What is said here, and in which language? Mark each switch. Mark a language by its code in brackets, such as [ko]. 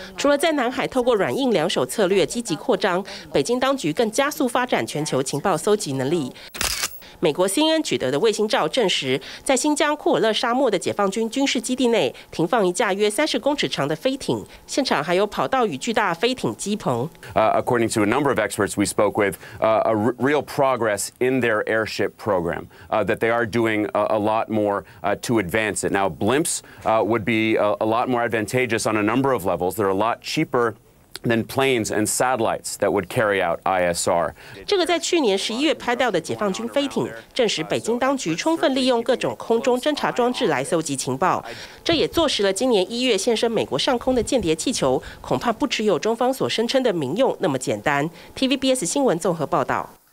[zh] 除了在南海透过软硬两手策略积极扩张，北京当局更加速发展全球情报搜集能力。美国 CNN 取得的卫星照证实，在新疆库尔勒沙漠的解放军军事基地内停放一架约30公尺长的飞艇，现场还有跑道与巨大飞艇机棚。 [en] According to a number of experts we spoke with, a real progress in their airship program, that they are doing a lot more to advance it. Now, blimps would be a lot more advantageous on a number of levels. They're a lot cheaper. Then planes and satellites that would carry out ISR. [zh] 这个在去年11月拍到的解放军飞艇，证实北京当局充分利用各种空中侦察装置来搜集情报。这也坐实了今年1月现身美国上空的间谍气球，恐怕不只有中方所声称的民用那么简单。 TVBS 新闻综合报道。